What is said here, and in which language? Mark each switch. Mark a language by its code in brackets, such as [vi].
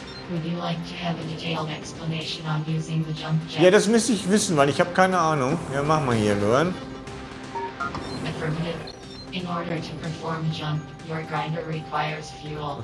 [en] Would you like to have a detailed explanation on using the jump jet? [de] Ja, das müsste ich wissen, weil ich habe keine Ahnung. Ja, machen wir hier, Lauren. [en] Affirmative. In order to perform a jump, your grinder requires fuel.